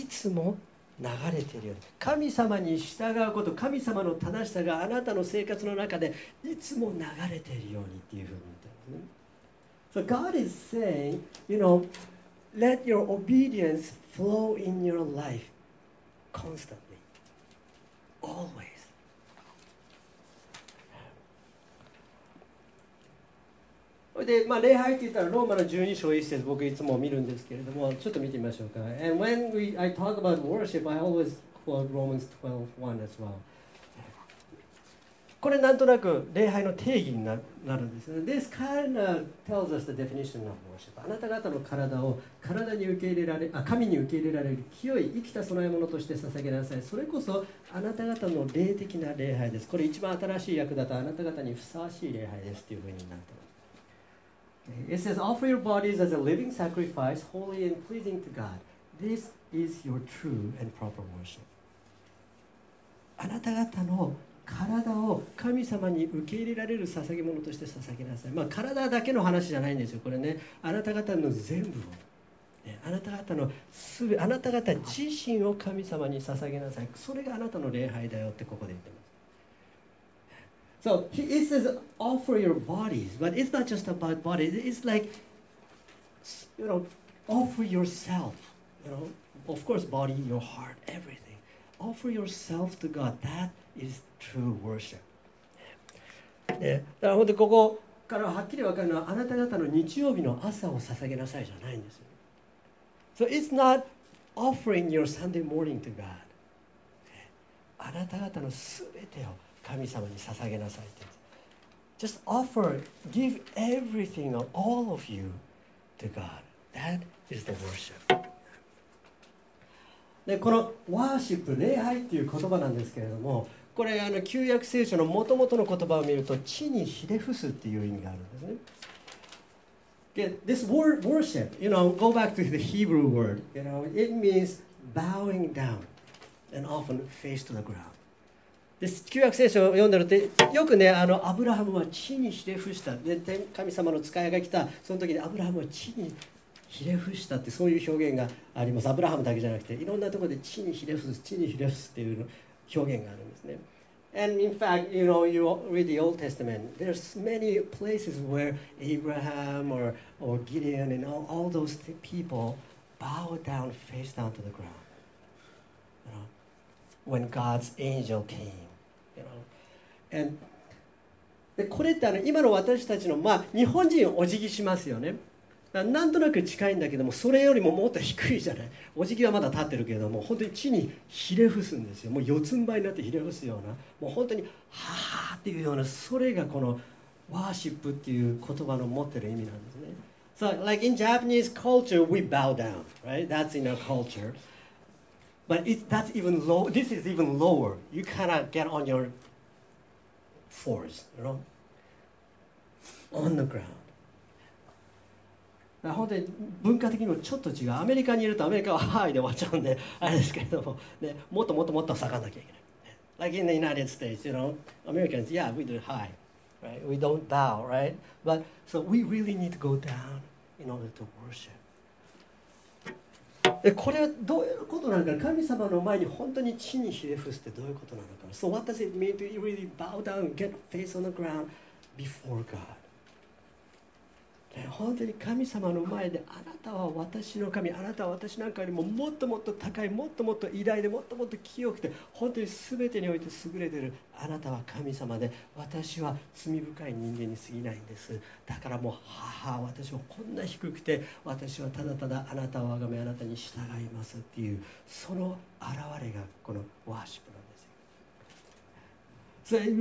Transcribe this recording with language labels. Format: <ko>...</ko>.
<ja>いつも流れているように、神様に従うこと、神様の正しさがあなたの生活の中でいつも流れているようにっていうふうに言ってますね。</ja> <en>So God is saying, you know, let your obedience flow in your life constantly, always.</en> <ja>で、まあ、礼拝って言ったらローマの12章1節僕いつも見るんですけれどもちょっと見てみましょうか。</ja> <en>And when we, I talk about worship, I always quote Romans 12:1 as well.</en> <ja>これなんとなく礼拝の定義になるんですね。</ja> <en>This kind of tells us the definition of worship.</en> <ja>あなた方の体を体に受け入れられ、あ、神に受け入れられる清い生きた供え物として捧げなさい。それこそあなた方の霊的な礼拝です。これ一番新しい訳だとあなた方にふさわしい礼拝ですというふうになってます。</ja> <en>It says, offer your bodies as a living sacrifice, holy and pleasing to God. This is your true and proper worship.</en> <ja>あなた方の体を神様に受け入れられる捧げ物として捧げなさい。まあ、体だけの話じゃないんですよ。これね、あなた方の全部を、ね、あなた方のすべ、あなた方自身を神様に捧げなさい。それがあなたの礼拝だよってここで言ってます。</ja> <en>So he it says offer your bodies, but it's not just about bodies. It's like, you know, offer yourself. You know, of course, body, your heart, everything. Offer yourself to God. That is true worship.</en> <ja>ね、だから本当ここからはっきり分かるのはあなた方の日曜日の朝を捧げなさいじゃないんですよ。</ja> <en>So it's not offering your Sunday morning to God.</en> <ja>あなた方のすべてを神様に捧げなさいって言って。</ja> <en>Just offer, give everything, all of you, to God. That is the worship.</en> <ja>で、この worship, 礼拝っていう言葉なんですけれども、これあの旧約聖書の元々の言葉を見ると、地にひれ伏すっていう意味があるんですね。</ja> <en>This word worship, you know, go back to the Hebrew word. You know, it means bowing down and often face to the ground.</en> <ja>で旧約聖書を読んでるってよくねあのアブラハムは地にひれ伏した、ね、天神様の使いが来たその時にアブラハムは地にひれ伏したってそういう表現があります。アブラハムだけじゃなくていろんなところで地にひれ伏す地にひれ伏すっていう表現があるんですね。</ja> <en>And in fact, you know, you read the Old Testament, there's many places where Abraham or Gideon and all those people bow down, face down to the groundWhen God's angel came, you know,</en> <ja>and でこれってあの今の私たちのまあ日本人お辞儀しますよね。なんとなく近いんだけどもそれよりももっと低いじゃない。お辞儀はまだ立ってるけども本当に地にひれ伏すんですよ。もう四つん這いになってひれ伏すようなもう本当にはーっていうようなそれがこのワーシップっていう言葉の持ってる意味なんですね。</ja> <en>So like in Japanese culture, we bow down, right? That's in our culture. But it, that's even low. This is even lower. You cannot get on your fours, you know, on the ground.</en> <ja>本当に文化的にもちょっと違う。アメリカにいるとアメリカはハワイで終わっちゃうんで、あれですけれども、ね、もっともっともっと下がんなきゃいけない。</ja> <en>Like in the United States, you know, Americans, yeah, we do high, right? We don't bow, right? But so we really need to go down in order to worship.</en> <ja>これはどういうことなのか神様の前に本当に地にひれ伏すってどういうことなのか</ja> <en>So what does it mean to really bow down get face on the ground before God</en> <ja>本当に神様の前であなたは私の神あなたは私なんかよりももっともっと高いもっともっと偉大でもっともっと清くて本当に全てにおいて優れているあなたは神様で私は罪深い人間に過ぎないんです。だからもう母私はこんな低くて私はただただあなたを崇めあなたに従いますっていうその現れがこのワーシップなんですよ。</ja>